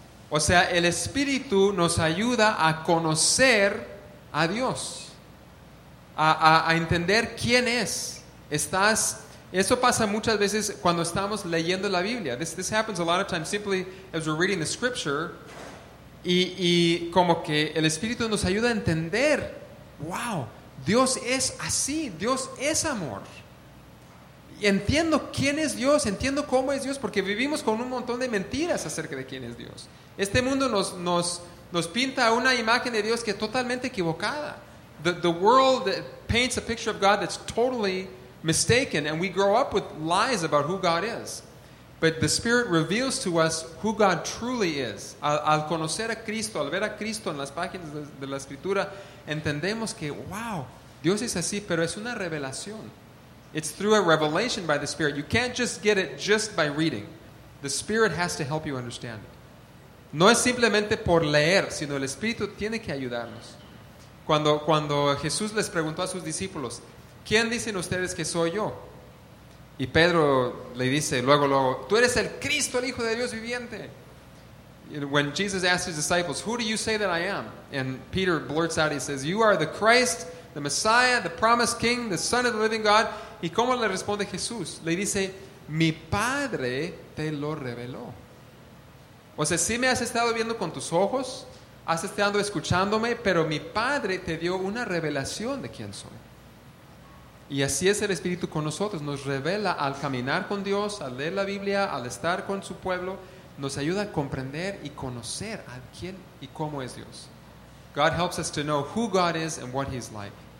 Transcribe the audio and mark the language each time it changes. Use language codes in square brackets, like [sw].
[es] O sea, el Espíritu nos ayuda a conocer a Dios, a entender quién es. Eso pasa muchas veces cuando estamos leyendo la Biblia. [en] This happens a lot of times simply as we're reading the scripture. [es] Y como que el Espíritu nos ayuda a entender. Wow, Dios es así. Dios es amor. Entiendo quién es Dios. Entiendo cómo es Dios. Porque vivimos con un montón de mentiras acerca de quién es Dios. Este mundo nos pinta una imagen de Dios que es totalmente equivocada. [en] The world paints a picture of God that's totally mistaken, and we grow up with lies about who God is. But the Spirit reveals to us who God truly is. Al conocer a Cristo, al ver a Cristo en las páginas de la Escritura, entendemos que, wow, Dios es así, pero es una revelación. It's through a revelation by the Spirit. You can't just get it just by reading. The Spirit has to help you understand it. [es] No es simplemente por leer, sino el Espíritu tiene que ayudarnos. Cuando Jesús les preguntó a sus discípulos, ¿quién dicen ustedes que soy yo? Y Pedro le dice luego, tú eres el Cristo, el Hijo de Dios viviente. When Jesus asked his disciples, who do you say that I am? And Peter blurts out, he says, you are the Christ, the Messiah, the promised King, the Son of the living God. ¿Y cómo le responde Jesús? Le dice, mi Padre te lo reveló. O sea, sí me has estado viendo con tus ojos, has estado escuchándome, pero mi Padre te dio una revelación de quién soy. Y así es el Espíritu con nosotros. Nos revela al caminar con Dios, al leer la Biblia, al estar con su pueblo. Nos ayuda a comprender y conocer a quién y cómo es Dios. [en] God helps us to know who God is and what He's like.